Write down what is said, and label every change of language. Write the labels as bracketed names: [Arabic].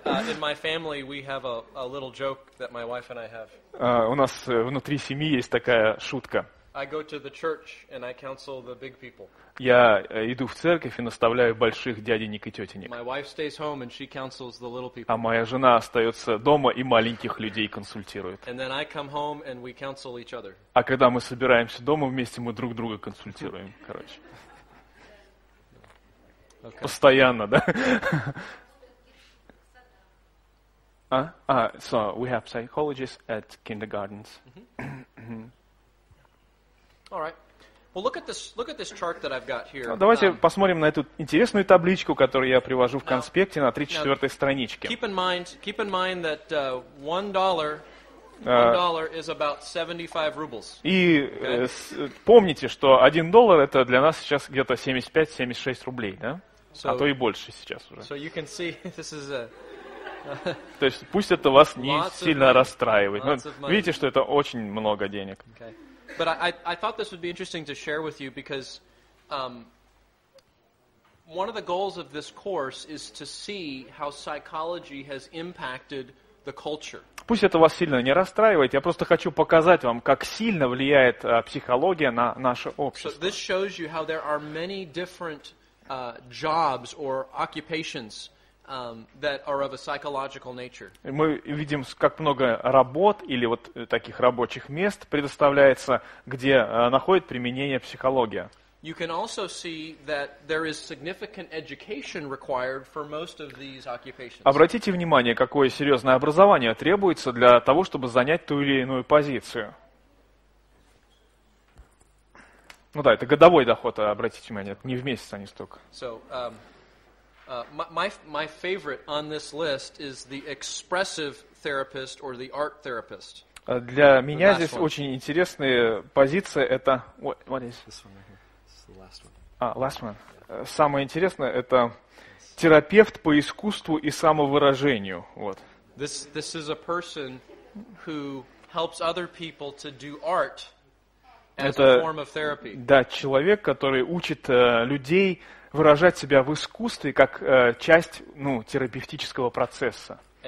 [English] In my family we have a little joke that my wife and I have. [Russian] У нас внутри семьи есть такая шутка. [English] I go to the church and I counsel the big people. [Russian] Я иду в церковь и наставляю больших дяденек и тетенек. [English] My wife stays home and she counsels the little people. [Russian] А моя жена остается дома и маленьких людей консультирует. [English] And then I come home and we counsel each other. [Russian] А когда мы собираемся дома вместе, мы друг друга консультируем, короче. [English] Okay. [Russian] Постоянно, да? [English] So we have psychologists at kindergartens. Mm-hmm. All right. Well, look at this chart that I've got here. [Russian] Давайте посмотрим на эту интересную табличку, которую я привожу в конспекте на 34-й страничке. [English] Keep in mind that $1 is about 75 rubles. [Russian] И помните, что $1 это для нас сейчас где-то 75-76 рублей, да? [English] So, [Russian] а то и больше сейчас уже. [English] So you can see this is a [Russian] То есть пусть это вас не сильно [English] money. [Russian] Расстраивает. Но видите, что это очень много денег. [English] Okay. But I thought this would be interesting to share with you because one of the goals of this course is to see how psychology has impacted the culture. [Russian] Пусть это вас сильно не расстраивает. Я просто хочу показать вам, как сильно влияет психология на наше общество. [English] So this shows you how there are many different jobs or occupations that are of a psychological nature. [Russian] Мы видим, как много работ или вот таких рабочих мест предоставляется, где находит применение психология. [English] You can also see that there is significant education required for most of these occupations. [Russian] Обратите внимание, какое серьезное образование требуется для того, чтобы занять ту или иную позицию. Ну да, это годовой доход, обратите внимание, это не в месяц, а не столько. [English] So, my favorite on this list is the expressive therapist or the art therapist. [Russian] Для меня здесь очень интересная позиция. Это [English] what is this one? Right here. This is the last one. Last one. Yeah. [Russian] Самое интересное это [English] yes. [Russian] терапевт по искусству и самовыражению. Вот. [English] This is a person who helps other people to do art as [Russian] это, [English] a form of therapy. [Russian] Да, человек, который учит людей. Выражать себя в искусстве как часть терапевтического процесса.